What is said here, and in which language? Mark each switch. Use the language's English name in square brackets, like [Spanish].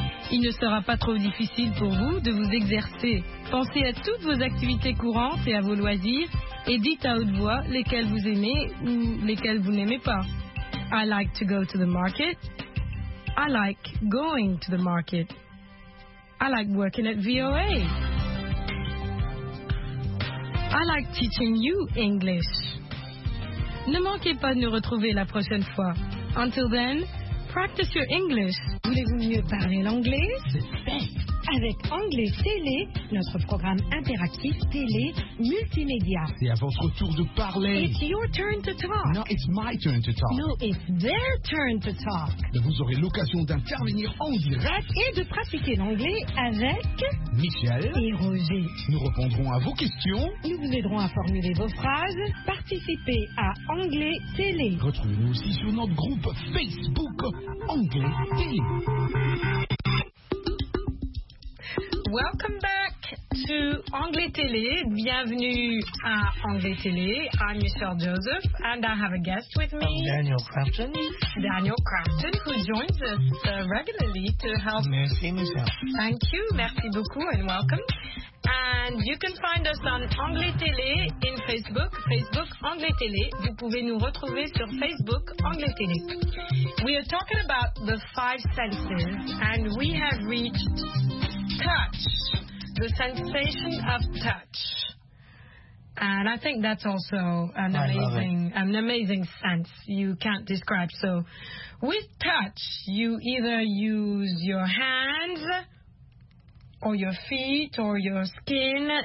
[French] Il ne sera pas trop difficile pour vous de vous exercer. Pensez à toutes vos activités courantes et à vos loisirs et dites à haute voix lesquelles vous aimez ou lesquelles vous n'aimez pas. [English] I like to go to the market. I like going to the market. I like working at VOA. I like teaching you English. [French] Ne manquez pas de nous retrouver la prochaine fois. [English] Until then, practice your English. [French] Voulez-vous mieux parler l'anglais? Avec Anglais Télé, notre programme interactif télé multimédia. C'est à votre tour de parler. [English] It's your turn to talk. No, it's my turn to talk. No, it's their turn to talk. [French] Vous aurez l'occasion d'intervenir en direct et de pratiquer l'anglais avec Michel et Roger. Nous répondrons à vos questions. Nous vous aiderons à formuler vos phrases. Participez à Anglais Télé. Retrouvez-nous aussi sur notre groupe Facebook Anglais Télé. [English] Welcome back to Anglais Télé. [French] Bienvenue à Anglais Télé. [English] I'm Michelle Joseph, and I have a guest with me. Daniel Crafton. Daniel Crafton, who joins us regularly to help. [French] Merci, Michelle. [English] Thank you. [French] Merci beaucoup, [English] and welcome. And you can find us on Anglais Télé in Facebook, Facebook Anglais Télé. [French] Vous pouvez nous retrouver sur Facebook Anglais Télé. [English] We are talking about the five senses, and we have reached touch, the sensation of touch. And I think that's also an amazing sense you can't describe. So with touch, you either use your hands or your feet or your skin.